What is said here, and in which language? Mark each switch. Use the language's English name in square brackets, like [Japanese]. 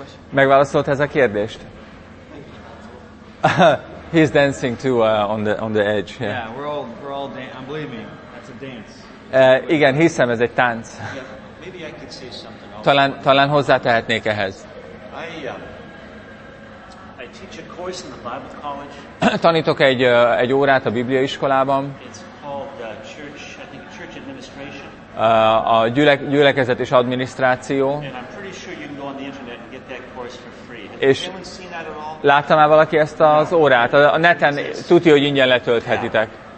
[Hungarian] Megválaszolt ez a kérdést? [English] He's dancing too on the edge. Yeah, we're all dancing. Believe me, that's a dance. [Hungarian] Igen, hiszem, ez egy tánc. [English] Maybe I could say something. [Hungarian] Talán hozzátehetnék ehhez. [English] I teach a course in the Bible college. [Hungarian] Tanítok egy órát a Bibliaiskolában. [English] It's called church administration. [Hungarian] A gyülekezet és adminisztráció. [English] And I'm pretty sure you can go on the internet and get that course for free. [Hungarian] És látta már valaki ezt az órát? A neten tuti, hogy ingyen letölthetitek.